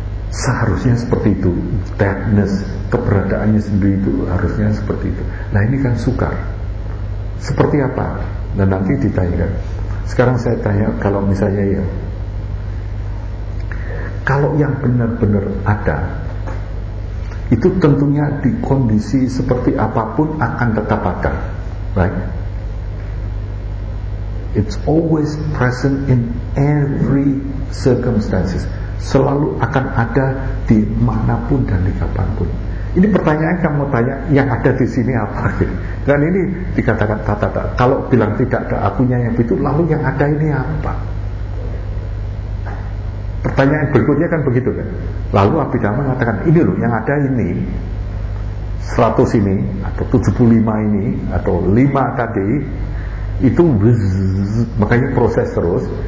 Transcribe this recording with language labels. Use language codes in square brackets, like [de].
[id] seharusnya seperti itu, deadness, keberadaannya sendiri itu harusnya seperti itu. Nah ini kan sukar. Seperti apa? Dan nanti ditanyakan. Sekarang saya tanya, kalau misalnya ya, kalau yang benar-benar ada, itu tentunya di kondisi seperti apapun akan tetap ada, right? [en] It's always present in every circumstances. [id] Selalu akan ada di manapun dan di kapanpun. Ini pertanyaan yang mau tanya, yang ada di sini apa? Dan ini dikatakan tata-tata. Kalau bilang tidak ada akunya yang itu, lalu yang ada ini apa? Pertanyaan berikutnya kan begitu kan? Lalu Abhidhamma mengatakan, ini loh yang ada ini, 100 ini, atau 75 ini, atau 5 tadi, itu wzz, makanya proses terus.